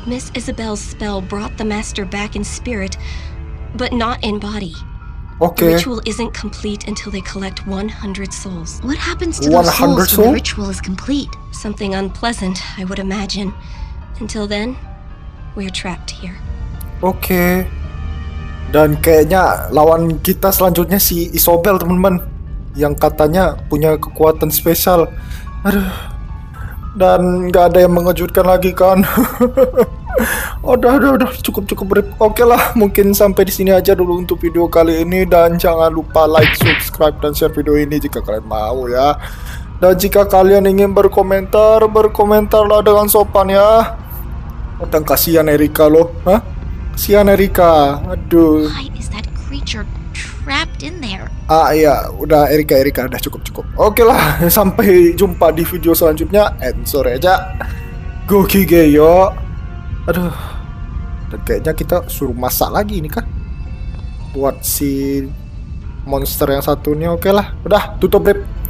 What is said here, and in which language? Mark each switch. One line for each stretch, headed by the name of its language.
English: Miss Isabel's spell brought the Master back in spirit, but not in body. Okay. The ritual isn't complete until they collect 100 souls. What happens to those souls when the ritual is complete? Something unpleasant, I would imagine. Until then, we're trapped here. Okay.
Indonesian: Dan kayaknya lawan kita selanjutnya si Isabel, teman-teman, yang katanya punya kekuatan spesial. Aduh. Dan gak ada yang mengejutkan lagi kan. Udah cukup brief. Oke lah, mungkin sampai di sini aja dulu untuk video kali ini. Dan jangan lupa like, subscribe, dan share video ini jika kalian mau ya. Dan jika kalian ingin berkomentar, berkomentarlah dengan sopan ya. Dan kasihan Erika loh. Hah? Kasihan Erika. Aduh.
English: Why is that creature trapped in there?
Indonesian: Ah iya, udah Erika, udah cukup. Oke lah, sampai jumpa di video selanjutnya. And sore aja.
Japanese: Gokige yo.
Indonesian: Aduh. Dan kayaknya kita suruh masak lagi ini kan. Buat si monster yang satunya. Oke lah, udah tutup blip.